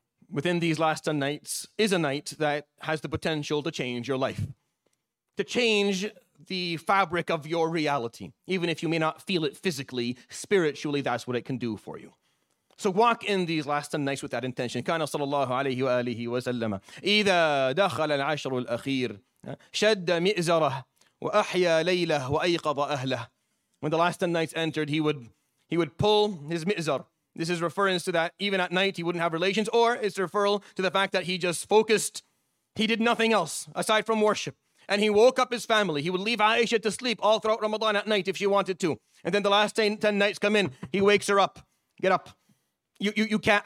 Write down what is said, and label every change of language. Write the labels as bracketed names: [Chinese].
[English] Within these last 10 nights is a night that has the potential to change your life, to change the fabric of your reality. Even if you may not feel it physically, spiritually, that's what it can do for you. So walk in these last 10 nights with that intention. [Arabic] كان صلى الله عليه وآله وسلم إذا دخل العشر الأخير شد مئزره وأحيا ليله وأيقظ أهله. [English] When the last 10 nights entered, he would pull his mi'zar. This is reference to that even at night he wouldn't have relations, or it's a referral to the fact that he just focused. He did nothing else aside from worship. And he woke up his family. He would leave Aisha to sleep all throughout Ramadan at night if she wanted to. And then the last 10 nights come in, he wakes her up. Get up. You can't.